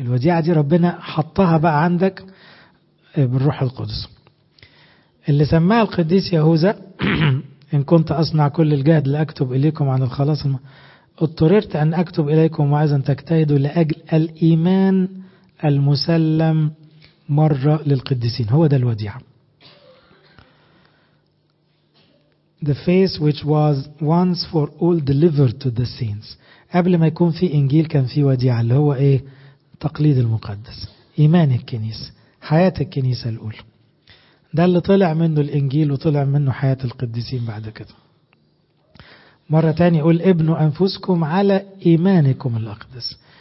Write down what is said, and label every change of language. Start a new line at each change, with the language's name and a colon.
Arabic: الوديعة دي ربنا حطها بقى عندك بالروح القدس، اللي سماها القديس يهوذا إن كنت أصنع كل الجهد لأكتب إليكم عن الخلاص، اضطررت أن أكتب إليكم وعزا تكتهدوا لأجل الإيمان المسلم مرة للقديسين، هو ده الوديعة.
English: The face which was once for all delivered to the saints.
Arabic: قبل ما يكون في إنجيل كان في وديعة، اللي هو إيه؟ تقليد المقدس، إيمان الكنيسة، حياة الكنيسة الأولى. ده اللي طلع منه الإنجيل وطلع منه حياة القديسين بعد كده. مرة تانية يقول ابنوا أنفسكم على إيمانكم الأقدس.